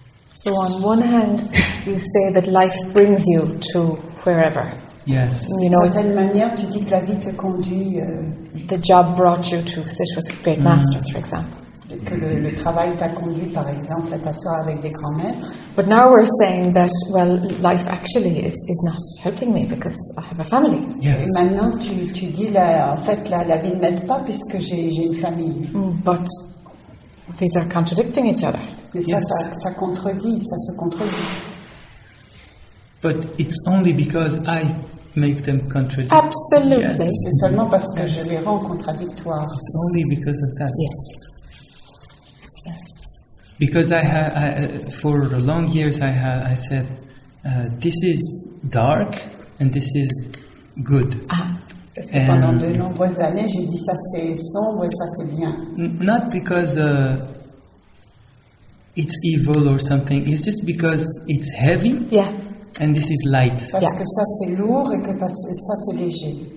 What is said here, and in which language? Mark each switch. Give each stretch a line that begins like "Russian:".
English: So on one hand, you say that life brings you to wherever. Yes. You know,
French: certaine manière, tu dis que la vie te conduit.
English: The job brought you to sit with great masters, for example.
French: Que le travail t'a conduit, par exemple, à t'asseoir avec des grands maîtres.
English: But now we're saying that, well, life actually is not helping me because I have a family. Yes.
French: Et maintenant, tu dis, la vie ne m'aide pas puisque j'ai une famille.
English: But these are contradicting each other.
French: Mais ça contredit, ça se contredit.
English: But it's only because I make them contradict. Absolutely. Yes.
French: C'est seulement parce que je les rends contradictoires.
English: It's only because of that. Yes. Because I for long years I said, this is dark and this is good.
French: Pendant de nombreuses années, j'ai dit ça c'est sombre et ça c'est bien.
English: Not because it's evil or something. It's just because it's heavy. Yeah. And this is light.
French: Parce que ça c'est lourd et que ça c'est léger.